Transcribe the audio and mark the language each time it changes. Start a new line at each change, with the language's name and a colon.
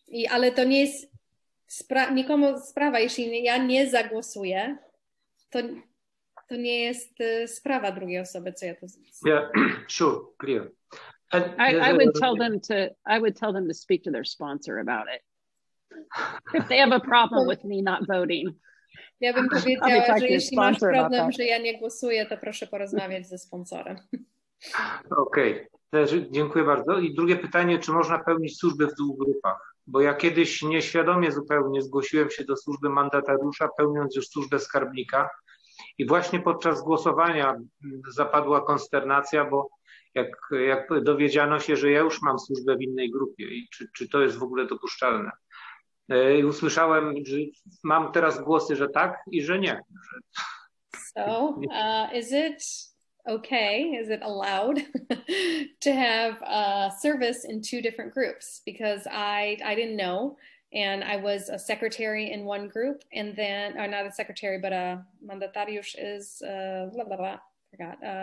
Polish: Ale to nie jest nikomu sprawa. Jeśli ja nie zagłosuję, to to nie jest sprawa drugiej osoby, co ja to zrobię.
English: Yeah, sure, clear. I would tell them to speak to their sponsor about it. If they have a problem with me not voting.
Polish: Ja bym powiedziała, że jeśli masz problem, że ja nie głosuję, to proszę porozmawiać ze sponsorem. Okej, okay. Dziękuję bardzo. I drugie pytanie, czy można pełnić służby w dwóch grupach? Bo ja kiedyś nieświadomie zupełnie zgłosiłem się do służby mandatariusza, pełniąc już służbę skarbnika. I właśnie podczas głosowania zapadła konsternacja, bo jak dowiedziano się, że ja już mam służbę w innej grupie i czy to jest w ogóle dopuszczalne. I usłyszałem, że mam teraz głosy, że tak i że nie.
English: So, is it okay, is it allowed to have a service in two different groups? Because I didn't know, and I was a secretary in one group, and then, or not a secretary, but a mandatarius is, blah, blah, blah, forgot.